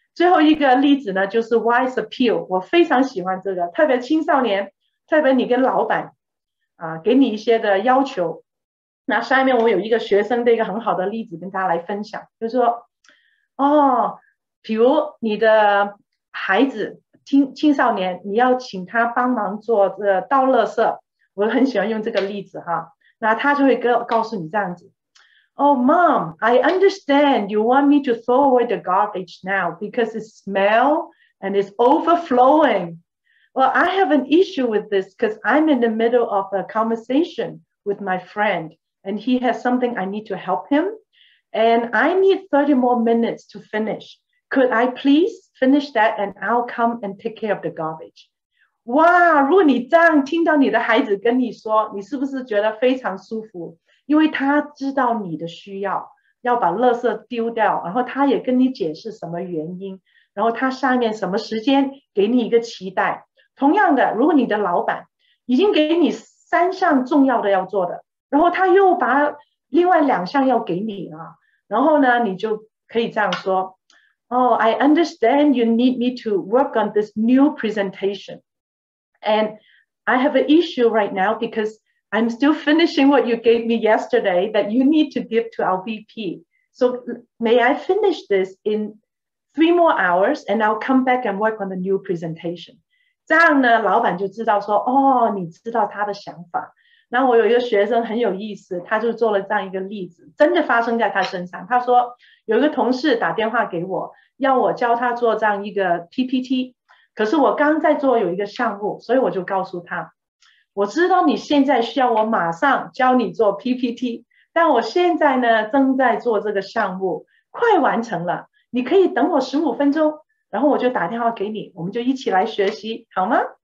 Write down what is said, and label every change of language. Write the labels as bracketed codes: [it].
[zh] 最后一个例子呢就是 wise appeal， 我非常喜欢这个，特别青少年，特别你跟老板给你一些的要求。那下面我有一个学生的一个很好的例子跟大家来分享，就是说哦，比如你的孩子青少年，你要请他帮忙做这倒垃圾，我很喜欢用这个例子哈。那他就会告诉你这样子， [en] Oh mom I understand you want me to throw away the garbage now because it smells and it's overflowing. Well I have an issue with this because I'm in the middle of a conversation with my friendAnd he has something I need to help him. And I need 30 more minutes to finish. Could I please finish that and I'll come and take care of the garbage. [zh] 哇，如果你这样听到你的孩子跟你说，你是不是觉得非常舒服？因为他知道你的需要，要把垃圾丢掉，然后他也跟你解释什么原因，然后他下面什么时间给你一个期待。同样的，如果你的老板已经给你三项重要的要做的，然后他又把另外两项要给你然后呢你就可以这样说， [en] Oh, I understand you need me to work on this new presentation. And I have an issue right now because I'm still finishing what you gave me yesterday that you need to give to our VP. So may I finish this in 3 more hours and I'll come back and work on the new presentation. [zh] 这样呢，老板就知道说，哦，你知道他的想法。那我有一个学生很有意思，他就做了这样一个例子，真的发生在他身上。他说有一个同事打电话给我，要我教他做这样一个 PPT， 可是我刚在做有一个项目，所以我就告诉他，我知道你现在需要我马上教你做 PPT， 但我现在呢正在做这个项目，快完成了，你可以等我15分钟，然后我就打电话给你，我们就一起来学习好吗？